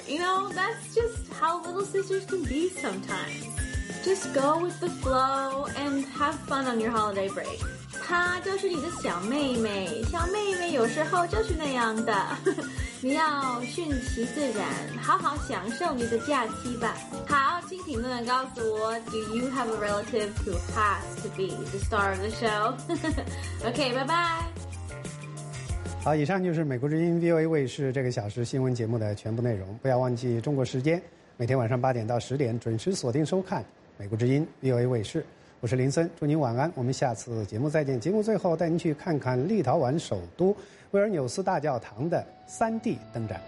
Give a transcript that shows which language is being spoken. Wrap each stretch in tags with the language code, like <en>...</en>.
<en>You know, that's just how little sisters can be sometimes. Just go with the flow and have fun on your holiday break.</en> <zh>她就是你的小妹妹，小妹妹有时候就是那样的。你要顺其自然，好好享受你的假期吧。好，请评论告诉我</zh> <en>，Do you have a relative who has to be the star of the show?</en> <zh>OK, 拜拜。好，以上就是美国之音 VOA 卫视这个小时新闻节目的全部内容。不要忘记中国时间每天晚上8点到10点准时锁定收看《美国之音》VOA卫视，我是林森，祝您晚安。我们下次节目再见。节目最后带您去看看立陶宛首都维尔纽斯大教堂的 3D 灯展。</zh>